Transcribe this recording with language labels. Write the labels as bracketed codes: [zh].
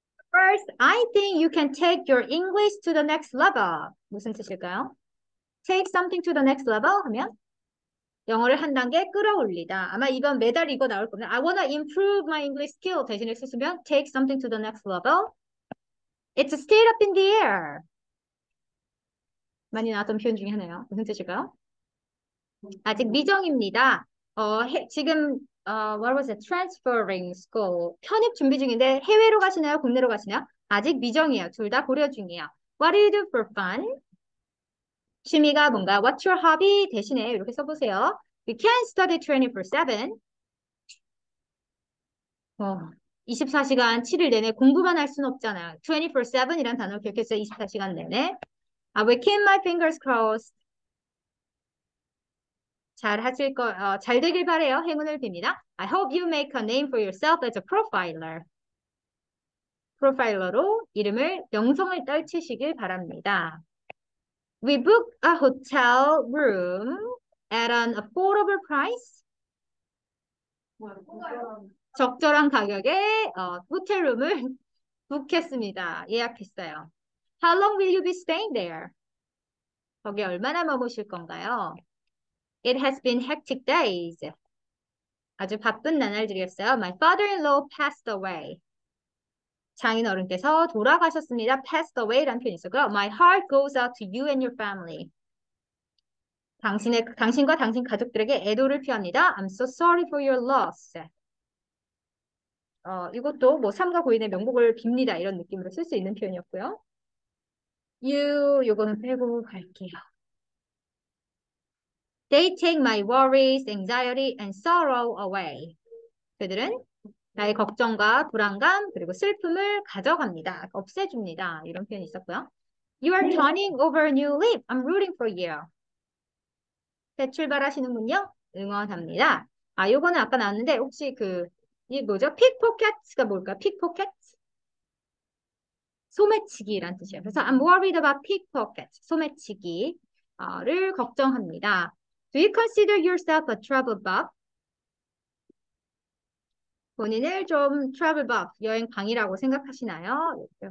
[en] First, I think you can take your English to the next level. [ko] 무슨 뜻일까요? [en] Take something to the next level [ko] 하면 영어를 한 단계 끌어올리다. 아마 이번 매달 이거 나올 겁니다. [en] I wanna improve my English skill [ko] 대신에 쓰시면 [en] take something to the next level. It's still up in the air. [ko] 많이 나왔던 표현 중에 하나예요. 무슨 뜻일까요? 아직 미정입니다. [en] 지금 what was it? Transferring school. [ko] 편입 준비 중인데 해외로 가시나요? 국내로 가시나요? 아직 미정이에요. 둘다 고려 중이에요. [en] What do you do for fun? [ko] 취미가 뭔가? [en] What's your hobby? [ko] 대신에 이렇게 써보세요. [en] You can study 24/7. [ko] 24시간 7일 내내 공부만 할 수는 없잖아요. 24/7이란 단어 기억했어요. 24시간 내내. [en] I will keep my fingers crossed. [ko] 잘 되길 바래요. 행운을 빕니다. [en] I hope you make a name for yourself as a profiler. [ko] 프로파일러로 이름을 명성을 떨치시길 바랍니다. [en] We book a hotel room at an affordable price. [ko] 적절한 가격에 호텔 룸을 북했습니다. 예약했어요. [en] How long will you be staying there? [ko] 거기 얼마나 머무실 건가요? [en] It has been hectic days. [ko] 아주 바쁜 나날들이었어요. [en] My father-in-law passed away. [ko] 장인어른께서 돌아가셨습니다. Passed away라는 표현이 있었고요. [en] My heart goes out to you and your family. [ko] 당신과 당신 가족들에게 애도를 표합니다. [en] I'm so sorry for your loss. [ko] 이것도 뭐 삼가 고인의 명복을 빕니다. 이런 느낌으로 쓸수 있는 표현이었고요. You, 요거는 빼고 갈게요. [en] They take my worries, anxiety, and sorrow away. [ko] 그들은 나의 걱정과 불안감, 그리고 슬픔을 가져갑니다. 없애줍니다. 이런 표현이 있었고요. [en] You are turning over a new leaf. I'm rooting for you. [ko] 새 출발하시는군요. 응원합니다. 아, 요거는 아까 나왔는데, 혹시 이게 뭐죠? 픽포켓스가 뭘까요? 픽포켓? 소매치기란 뜻이에요. [en] 그래서 I'm worried about pickpockets. [ko] 소매치기를 걱정합니다. [en] Do you consider yourself a travel buff? [ko] 본인을 좀 travel buff, 여행광이라고 생각하시나요?